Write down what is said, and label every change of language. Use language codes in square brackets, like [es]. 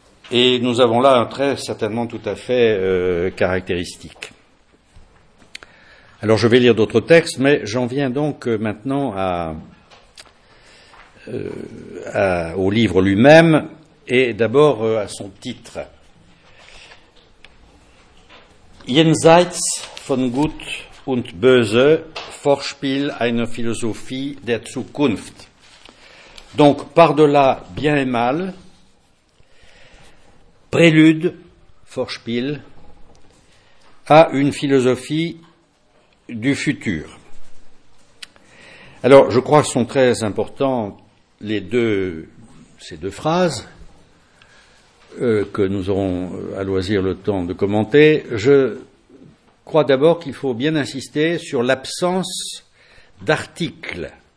[fr] Et nous avons là un trait certainement tout à fait caractéristique. Alors je vais lire d'autres textes, mais j'en viens donc maintenant au livre lui-même, et d'abord à son titre. [de] Jenseits von Gut und Böse, Vorspiel einer Philosophie der Zukunft. [fr] Donc, par-delà bien et mal, prélude, Vorspiel, à une philosophie du futur. Alors, je crois que sont très importants ces deux phrases que nous aurons à loisir le temps de commenter. Je crois d'abord qu'il faut bien insister sur l'absence d'articles.